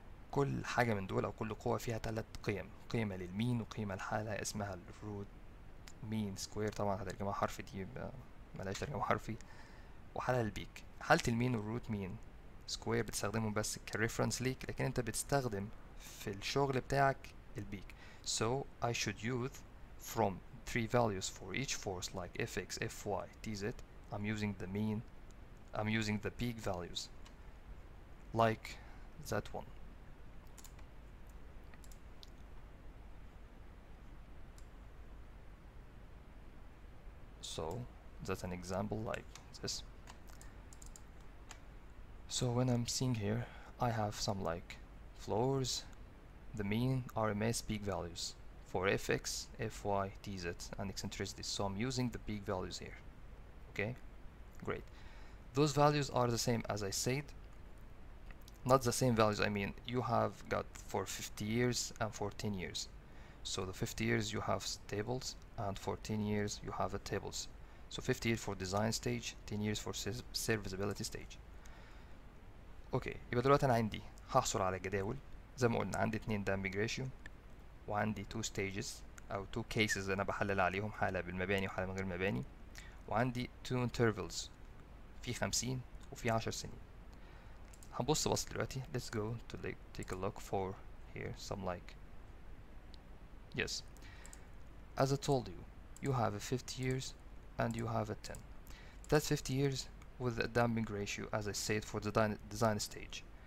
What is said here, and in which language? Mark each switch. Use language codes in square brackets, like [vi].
[ar] كل حاجة من دول او كل قوة فيها ثلاث قيم, قيمة للمين وقيمة الحالة اسمها ال root mean square, طبعا هترجمها حرفي دي ملهاش ترجمة حرفي, وحالة البيك. حالة المين والروت مين سكوير بتستخدمهم بس كريفرنس ليك, لكن انت بتستخدم في الشغل بتاعك البيك. [en] So I should use from three values for each force like fx, fy, tz. I'm using the peak values like that one. So that's an example like this. So when I'm seeing here, I have some like floors, the mean, RMS, peak values for fx, fy, tz, and eccentricity. So I'm using the peak values here. Okay, great. Those values are the same as I said. Not the same values, I mean, you have got for 50 years and for 10 years. So the 50 years you have tables, and for 10 years you have the tables. So 50 years for design stage, 10 years for serviceability stage. [ar] اوكي, يبقى دلوقتي انا عندي هحصل على جداول زي ما قلنا, عندي 2 damping ratio وعندي 2 stages او 2 cases انا بحلل عليهم, حاله بالمباني وحاله من غير مباني, وعندي 2 intervals في 50 وفي 10 سنين. هنبص بس دلوقتي, [en] let's go to like take a look for here some like yes. As I told you, you have a 50 years and you have a 10. That's 50 years with a damping ratio, as I said, for the design stage.